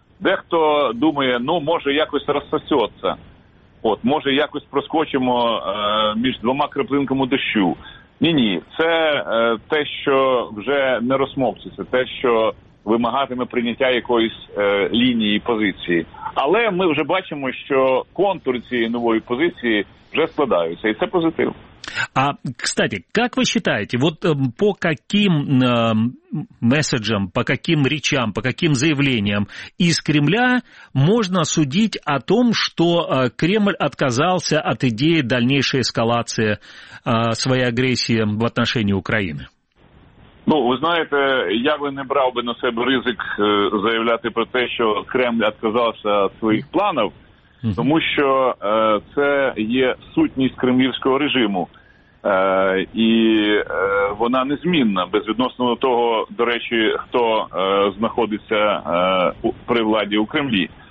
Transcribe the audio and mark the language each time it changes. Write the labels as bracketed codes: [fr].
[uk] Дехто думає, може якось розсосеться, може якось проскочимо між двома краплинками дощу. Ні-ні, це те, що вже не розсмокчеться, те, що вимагатиме прийняття якоїсь лінії позиції. Але ми вже бачимо, що контури цієї нової позиції вже складаються, і це позитив. [ru] А, кстати, как вы считаете, вот по каким месседжам, по каким речам, по каким заявлениям из Кремля можно судить о том, что Кремль отказался от идеи дальнейшей эскалации своей агрессии в отношении Украины? Ну, вы знаете, я бы не брал бы на себе ризик заявлять про то, что Кремль отказался от своих планов, [uk] тому що це є сутність кремлівського режиму, і вона незмінна, безвідносно до того, до речі, хто знаходиться при владі у Кремлі.